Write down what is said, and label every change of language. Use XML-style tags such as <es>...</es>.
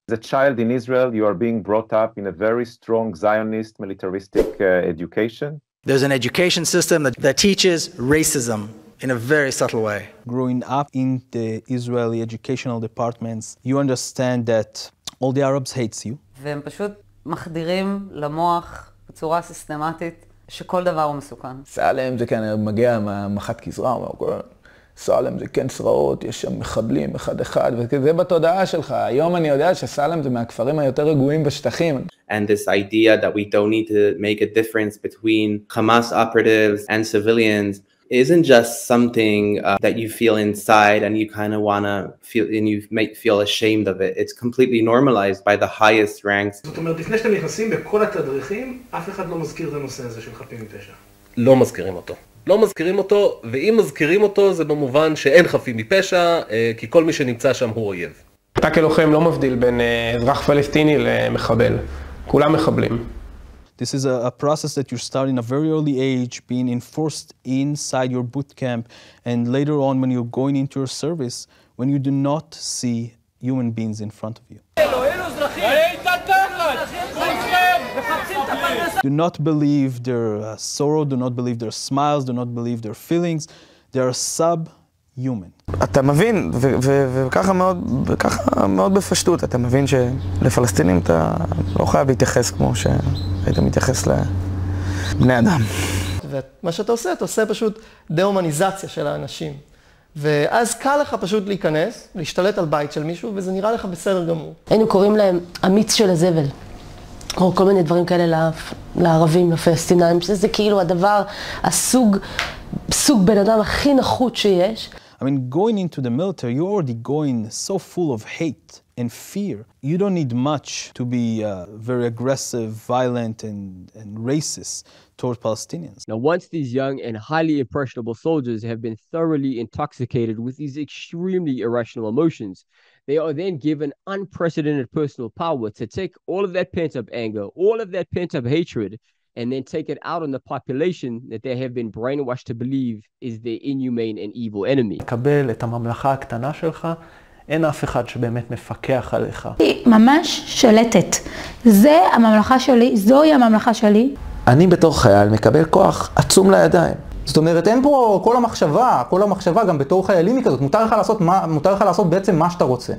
<en>As a child in Israel, you are being brought up in a very strong Zionist militaristic education. There's an education system that teaches racism in a very subtle way. Growing up in the Israeli educational departments, you understand that all the Arabs hates you.</en> <he>והם פשוט מחדירים למוח בצורה סיסטמטית שכל דבר הוא מסוכן. סאלם זה כנראה מגיע מהמחת כזרה, הוא אומר, סאלם זה כן שרעות, יש שם מחבלים אחד אחד, וזה בתודעה שלך. היום אני יודע שסאלם זה מהכפרים היותר רגועים בשטחים.</he> <en>And this idea that we don't need to make a difference between Hamas operatives and civilians isn't just something that you feel inside and you kind of wanna feel and you might feel ashamed of it. It's completely normalized by the highest ranks.</en> <he>זאת אומרת, לפני שאתם נכנסים בכל התדריכים, אף אחד לא מזכיר את הנושא הזה של חפים מפשע. לא מזכירים אותו. לא מזכירים אותו, ואם מזכירים אותו, זה במובן שאין חפים מפשע, כי כל מי שנמצא שם הוא אויב. אתה כלוחם לא מבדיל בין אזרח פלסטיני למחבל. כולם מחבלים.</he> <en>This is a process that you start in a very early age, being enforced inside your boot camp, and later on when you're going into your service, when you do not see human beings in front of you. Do not believe their sorrow, do not believe their smiles, do not believe their feelings. They are subhuman.</en> <he>אתה מבין, וככה מאוד, וככה מאוד בפשטות, אתה מבין שלפלסטינים אתה לא חייב להתייחס כמו שהיית מתייחס לבני אדם. ומה שאתה עושה, אתה עושה פשוט דה-הומניזציה של האנשים. ואז קל לך פשוט להיכנס, להשתלט על בית של מישהו, וזה נראה לך בסדר גמור. היינו קוראים להם אמיץ של הזבל. או כל מיני דברים כאלה לערבים, לפלסטינאים, שזה כאילו הדבר, הסוג בן אדם הכי נחות שיש.</he> <en>I mean, going into the military, you're already going so full of hate and fear. You don't need much to be very aggressive, violent, and racist toward Palestinians. Now, once these young and highly impressionable soldiers have been thoroughly intoxicated with these extremely irrational emotions, they are then given unprecedented personal power to take all of that pent-up anger, all of that pent-up hatred, and then take it out on the population that they have been brainwashed to believe is their inhumane and evil enemy.</en> <he>קבל את הממלכה הקטנה שלך, אין אף אחד שבאמת מפקח עליך. היא ממש שולטת. זה הממלכה שלי, זוהי הממלכה שלי. אני בתור חייל מקבל כוח עצום לידיים. זאת אומרת, אין פה כל המחשבה, גם בתור חיילים היא כזאת, מותר לך לעשות בעצם מה שאתה רוצה.</he>